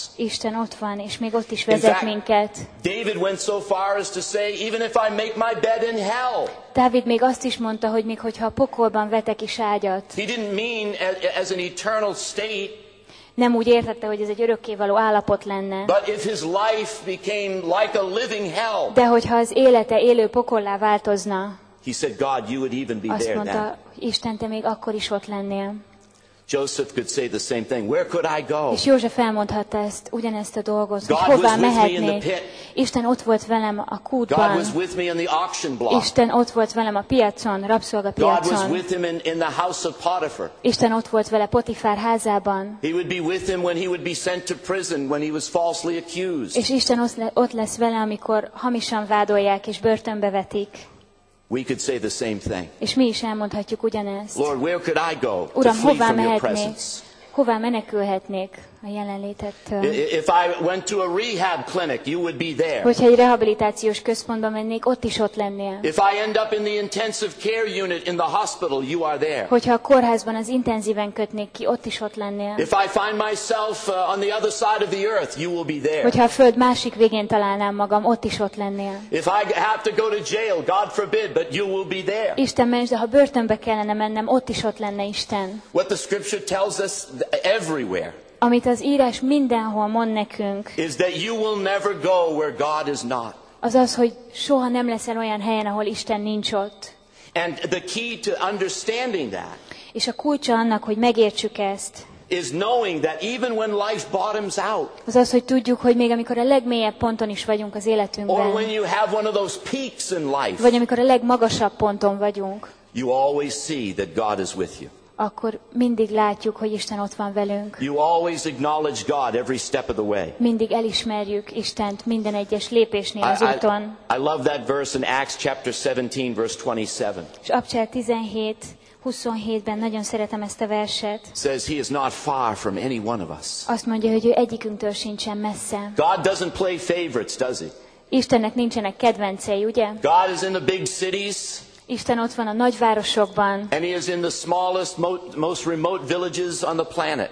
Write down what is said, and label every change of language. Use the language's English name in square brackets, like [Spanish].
[Hungarian] Isten ott van, és még ott is vezet minket. [English] David went so far as to say, even if I make my bed in hell. [Hungarian] Dávid még azt is mondta, hogy még hogyha a pokolban vetek is ágyat. [English] He didn't mean as an eternal state. [Hungarian] Nem úgy értette, hogy ez egy örökkévaló állapot lenne. [English] But if his life became like a living hell. [Hungarian] De hogyha az élete élő pokollá változna. [English] He said, God, you would even be there then. [Hungarian] Azt mondta, Isten, te még akkor is ott lennél. [English] Joseph could say the same thing. Where could I go? [Hungarian] És József elmondhatta ezt, ugyanezt a dolgot, hogy hová mehetnék. Isten ott volt velem a kútban. [English] God was with me in the auction block. [Hungarian] Isten ott volt velem a piacon, rabszolgapiacon. [English] God was with him in the house of Potiphar. [Hungarian] Isten ott volt vele Potifár házában. [English] He would be with him when he would be sent to prison when he was falsely accused. [Hungarian] És Isten ott lesz vele, amikor hamisan vádolják és börtönbe vetik. [English] We could say the same thing. [Hungarian] És mi is elmondhatjuk ugyanezt. [English] Lord, where could I go? [Hungarian] Uram, [English] to flee [Hungarian] hová [English] from [Hungarian] mehetnék? [English] Your presence? [Hungarian] Hová menekülhetnék a jelenlétettől? [English] If I went to a rehab clinic, you would be there. [Hungarian] Hogyha egy rehabilitációs központba mennék, ott is ott lennél. [English] If I end up in the intensive care unit in the hospital, you are there. [Hungarian] Hogyha a kórházban az intenzíven kötnék ki, ott is ott lennél. [English] If I find myself on the other side of the earth, you will be there. [Hungarian] Hogyha a föld másik végén találnám magam, ott is ott lennél. [English] If I have to go to jail, God forbid, but you will be there. [Hungarian] Isten ments, de ha börtönbe kellene mennem, ott is ott lenne Isten. [English] What the scripture tells us everywhere. [Hungarian] Amit az írás mindenhol mond nekünk, [English] is that you will never go where God is not. [Hungarian] Az, hogy soha nem leszel olyan helyen, ahol Isten nincs ott. [English] And the key to understanding that. [Hungarian] És a kulcsa annak, hogy megértsük ezt. [English] Is knowing that even when life bottoms out. [Hungarian] Az, hogy tudjuk, hogy még amikor a legmélyebb ponton is vagyunk az életünkben. [English] Or when you have one of those peaks in life. [Hungarian] Vagy amikor a legmagasabb ponton vagyunk. [English] You always see that God is with you. [Hungarian] Akkor mindig látjuk, hogy Isten ott van velünk. [English] You always acknowledge God every step of the way. [Hungarian] Mindig elismerjük Istent minden egyes lépésnél az úton. [English] I love that verse in Acts chapter 17 verse 27. [Hungarian] És Apcsel 17:27-ben nagyon szeretem ezt a verset. [English] Says he is not far from any one of us. [Hungarian] Azt mondja, hogy ő egyikünktől sincsen messze. [English] God doesn't play favorites, does he? [Hungarian] Istennek nincsenek kedvencei, ugye? [English] God is in the big cities. [Hungarian] Isten ott van a nagyvárosokban. [English] And he is in the smallest, most remote villages on the planet.